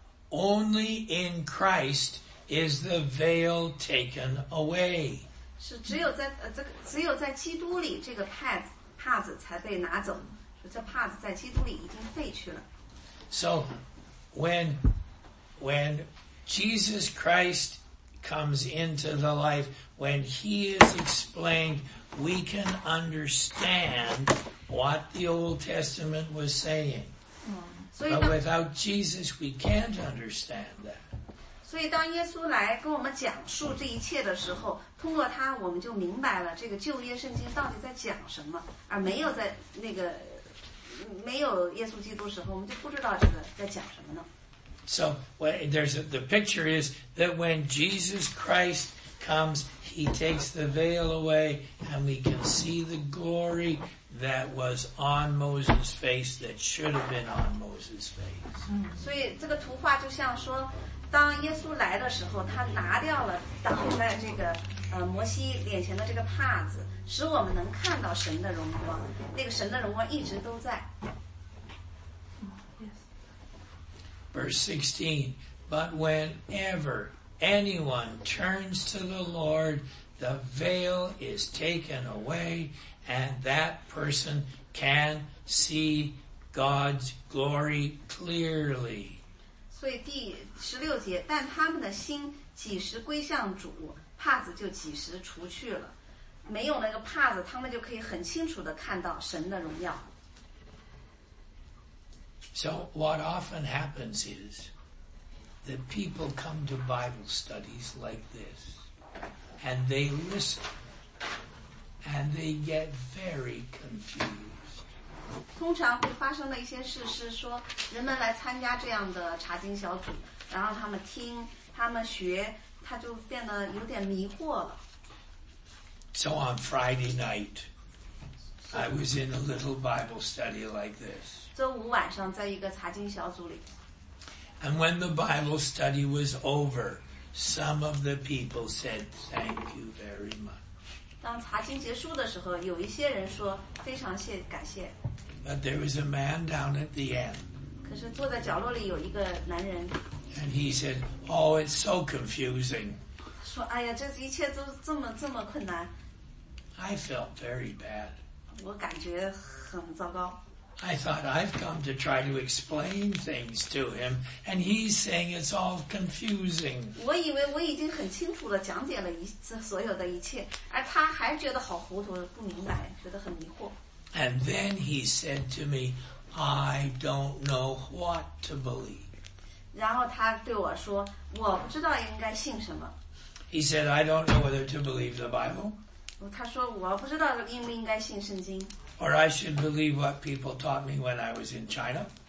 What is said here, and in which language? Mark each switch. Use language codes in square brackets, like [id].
[en] Only in Christ is the veil taken away. [zh] 是只有在、这个、只有在基督里这个帕子才被拿走，这帕子在基督里已经废去了。 [en] So, when Jesus Christ comes into the life, when he is explained, we can understand what the Old Testament was saying. But without Jesus, we can't understand that. [zh] 所以当耶稣来跟我们讲述这一切的时候，通过他我们就明白了这个旧约圣经到底在讲什么，而没有在那个 [en] So, well, there's the picture is that when Jesus Christ comes, he takes the veil away, and we can see the glory that was on Moses' face, that should have been on Moses' face. [zh] 所以这个图画就像说，当耶稣来的时候，他拿掉了挡在这个摩西脸前的这个帕子，使我们能看到神的荣光。那个神的荣光一直都在。 [en] Verse 16, but whenever anyone turns to the Lord, the veil is taken away, and that person can see God's glory clearly. [zh] 所以第十六节，但他们的心几时归向主，帕子就几时除去了。没有那个帕子，他们就可以很清楚地看到神的荣耀。 [en] So what often happens is that people come to Bible studies like this and they listen and they get very confused. [zh] 通常会发生的一些事是说，人们来参加这样的查经小组，然后他们听，他们学，他就变得有点迷惑了。 [en] So on Friday night, I was in a little Bible study like this. And when the Bible study was over, some of the people said, "Thank you very much." [zh] 当查经结束的时候，有一些人说非常谢感谢。 [en] But there was a man down at the end. [zh] 可是坐在角落里有一个男人。 [en] And he said, "Oh, it's so confusing." [zh] 说哎呀，这一切都这么困难。 [en] I felt very bad. [zh] 我感觉很糟糕。 [en] I thought I've come to try to explain things to him, and he's saying it's all confusing. [zh] 我以为我已经很清楚地讲解了一所有的一切，而他还觉得好糊涂，不明白，觉得很迷惑。 [en] And then he said to me, "I don't know what to believe." [zh] 然后他对我说，我不知道应该信什么。 [en] He said, "I don't know whether to believe the Bible." [zh] 他说，我不知道应不应该信圣经。 [en] Or I should believe what people taught me when I was in China.